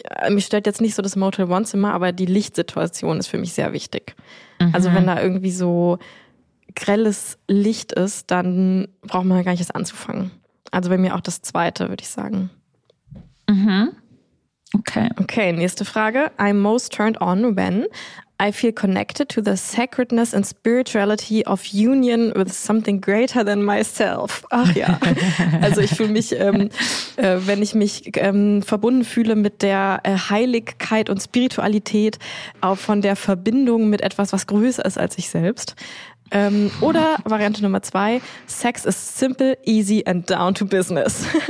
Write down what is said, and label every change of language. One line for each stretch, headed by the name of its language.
German: Mich stellt jetzt nicht so das Motel One-Zimmer, aber die Lichtsituation ist für mich sehr wichtig. Mhm. Also wenn da irgendwie so grelles Licht ist, dann braucht man gar nicht erst anzufangen. Also bei mir auch das zweite, würde ich sagen. Mhm. Okay. Okay, nächste Frage.
English: I'm most turned on when I feel connected to the sacredness and spirituality of union with something greater than myself.
German: Ach ja, also ich fühle mich, wenn ich mich verbunden fühle mit der Heiligkeit und Spiritualität, auch von der Verbindung mit etwas, was größer ist als ich selbst.
English: Oder Variante Nummer 2, Sex is simple, easy and down to business.